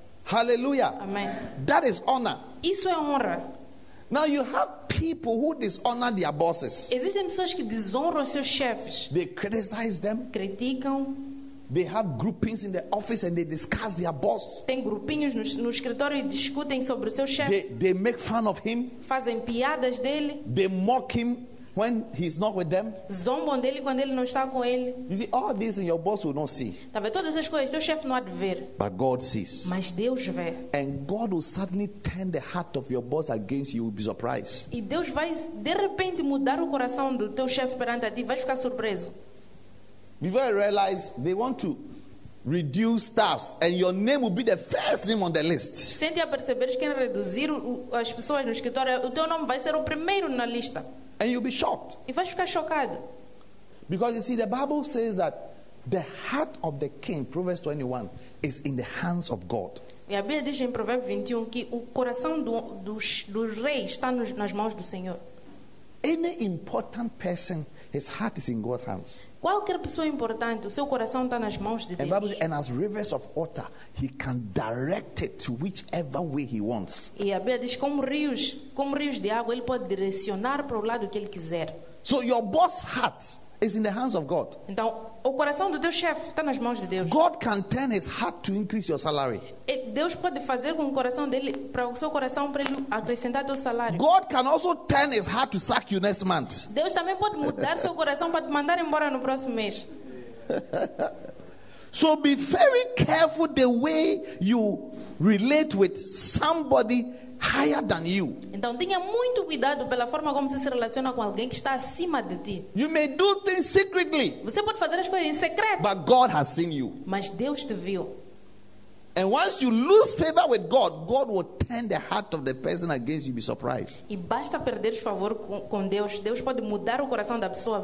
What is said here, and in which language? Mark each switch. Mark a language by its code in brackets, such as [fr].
[en] Hallelujah. Amen. That is honor. [pt] Isso é honra. [en] Now you have people who dishonor their bosses. [pt] Existem pessoas que desonram seus chefes. [en] They criticize them. [pt] Criticam. [en] They have groupings in the office and they discuss their boss. [pt] Tem grupinhos no escritório e discutem sobre o seu chefe. [en] They make fun of him. [pt] Fazem piadas dele. [en] They mock him when he's not with them. [pt] Zombam dele quando ele não está com ele. [en] You see, all this and your boss will not see. [pt] Tá vendo todas essas coisas, teu chefe não há de ver. [en] But God sees. [pt] Mas Deus vê. [en] And God will suddenly turn the heart of your boss against you, you'll be surprised. [pt] E Deus vai de repente mudar o coração do teu chefe perante a ti, vais ficar surpreso. [en] Before I realize, they want to reduce staffs and your name will be the first name on the list. [pt] Sente a perceber que querem reduzir as pessoas no escritório, o teu nome vai ser o primeiro na lista. [en] And you'll be shocked. [pt] E vai ficar chocado. [en] Because you see, the Bible says that the heart of the king, Proverbs 21, is in the hands of God. [pt] E a Bíblia diz em Provérbios 21 que o coração do rei está nas mãos do Senhor. [en] Any important person, his heart is in God's hands. [pt] Qualquer pessoa importante, o seu coração está nas mãos de Deus. [en] And the Bible says, and as rivers of water, he can direct it to whichever way he wants. [pt] E a Bíblia diz, como rios de água, ele pode direcionar para o lado que ele quiser. [en] So your boss' heart is in the hands of God. [pt] Então, o coração do teu chefe está nas mãos de Deus. [en] God can turn his heart to increase your salary. [pt] E Deus pode fazer com o coração dele para o seu coração para ele acrescentar teu salário. [en] God can also turn his heart to sack you next month. [pt] Deus também pode mudar seu coração para te mandar embora no próximo mês. [en] So be very careful the way you relate with somebody higher than you. [pt] Então tenha muito cuidado pela forma como você se relaciona com alguém que está acima de ti. [en] You may do things secretly. [pt] Você pode fazer as coisas em secreto. [en] But God has seen you. [pt] Mas Deus te viu. [en] And once you lose favor with God, God will turn the heart of the person against you. Be surprised. [pt] E basta perderes favor com Deus, Deus pode mudar o coração da pessoa.